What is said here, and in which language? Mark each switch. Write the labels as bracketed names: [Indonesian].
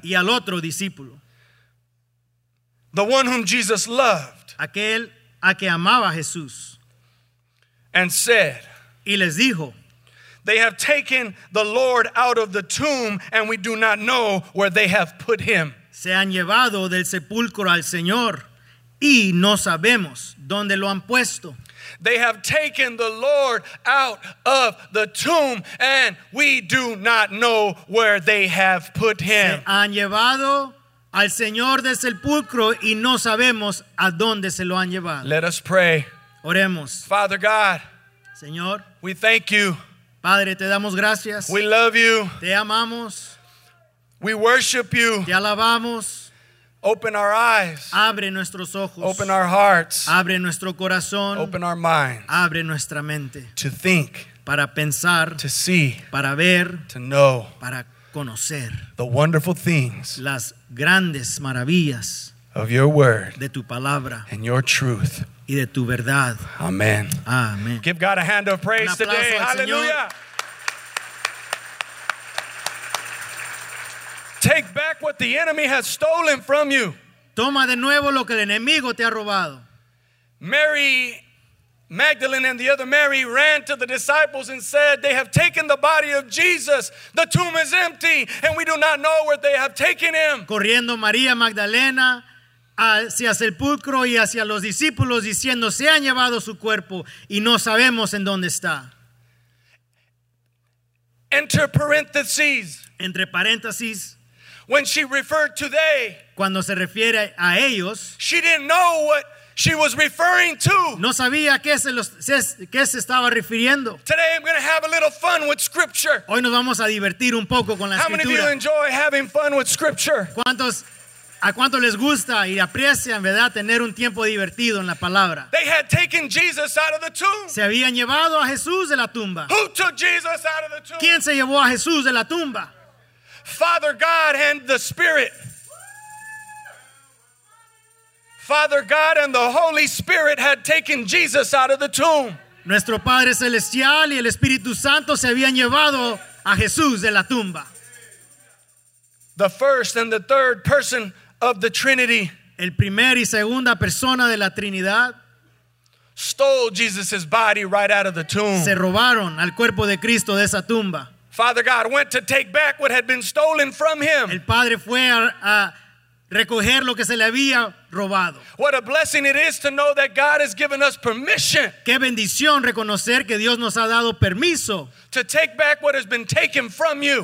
[Spanish] Y al otro discípulo. [English] The one whom Jesus loved. [Spanish] Aquel a que amaba Jesús. [English] And said. [Spanish] Y les dijo. [English] They have taken the Lord out of the tomb and we do not know where they have put him. [Spanish] Se han llevado del sepulcro al Señor y no sabemos dónde lo han puesto. [English] They have taken the Lord out of the tomb, and we do not know where they have put him. [Spanish] Se han llevado al Señor del sepulcro, y no sabemos a dónde se lo han llevado. [English] Let us pray. [Spanish] Oremos. [English] Father God, [Spanish] Señor, [English] we thank you. [Spanish] Padre, te damos gracias. [English] We love you. [Spanish] Te amamos. [English] We worship you. [Spanish] Te alabamos. [English] Open our eyes. [Spanish] Abre nuestros ojos. [English] Open our hearts. [Spanish] Abre nuestro corazón. [English] Open our minds. [Spanish] Abre nuestra mente. [English] To think. [Spanish] Para pensar. [English] To see. [Spanish] Para ver. [English] To know. [Spanish] Para conocer. [English] The wonderful things. [Spanish] Las grandes maravillas. [English] Of your word. [Spanish] De tu palabra. [English] And your truth. [Spanish] Y de tu verdad. [English] Amen. [Spanish] Amen. [English] Give God a hand of praise today. [Spanish] Un aplauso al Señor. [English] Take back what the enemy has stolen from you. Toma de nuevo lo que el enemigo te ha robado. Mary Magdalene and the other Mary ran to the disciples and said, they have taken the body of Jesus. The tomb is empty and we do not know where they have taken him. [Spanish] Corriendo María Magdalena hacia el sepulcro y hacia los discípulos diciendo, se han llevado su cuerpo y no sabemos en dónde está. [English] Enter parentheses. [Spanish] Entre paréntesis. [English] When she referred to they, [Spanish] cuando se refiere a ellos, [English] she didn't know what she was referring to. [Spanish] No sabía a qué se estaba refiriendo. [English] Today I'm going to have a little fun with scripture. [Spanish] Hoy nos vamos a divertir un poco con la escritura. [English] How many of you enjoy having fun with scripture? [Spanish] ¿Cuántos ¿A cuánto les gusta y aprecian, verdad, tener un tiempo divertido en la palabra? [English] They had taken Jesus out of the tomb. [Spanish] Se habían llevado a Jesús de la tumba. [English] Who took Jesus out of the tomb? [Spanish] ¿Quién se llevó a Jesús de la tumba? [English] Father God and the Spirit. Father God and the Holy Spirit had taken Jesus out of the tomb. [Spanish] Nuestro Padre Celestial y el Espíritu Santo se habían llevado a Jesús de la tumba. [English] The first and the third person of the Trinity. [Spanish] El primer y segunda persona de la Trinidad. [English] Stole Jesus' body right out of the tomb. [Spanish] Se robaron al cuerpo de Cristo de esa tumba. [English] Father God went to take back what had been stolen from him. [Spanish] El Padre fue a recoger lo que se le había robado. [English] What a blessing it is to know that God has given us permission. [Spanish] Qué bendición reconocer que Dios nos ha dado permiso. [English] To take back what has been taken from you.